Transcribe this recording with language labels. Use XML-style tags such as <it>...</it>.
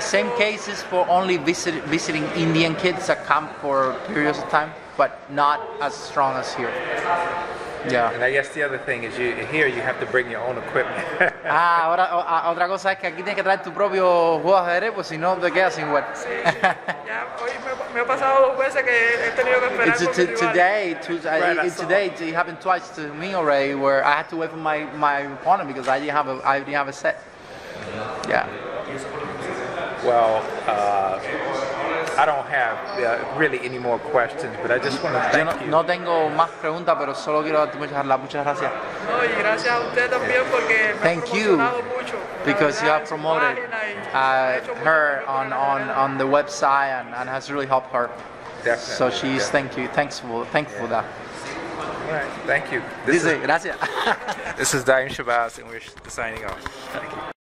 <en>same case is for only visiting Indian kids that come for periods of time, but not as strong as here. Yeah. And I guess the other thing is here you have to bring your own equipment.</en> <es>Ah, ahora otra cosa es que aquí tienes que traer tu propio juego de ajedrez, pues si no te quedas sin web. Sí. Ya hoy me ha pasado dos veces que he tenido que esperar.</es> <en>It's today it happened twice to me already where I had to wait for my opponent because I didn't have a set. Yeah. Well, I don't have really any more questions, but I just want to thank you.</en> <es>No tengo más preguntas, pero solo quiero darte muchas gracias. No, y gracias a usted también porque</es> <en>thank you</en> <es>mucho.</es> <en>Because you have promoted her on the website and has really helped her. Definitely. So she's thankful for that. Right. Thank you.</en> <es>Dice, gracias.</es> <en>This is Daaim Shabazz, and we're signing off. Thank you.</en>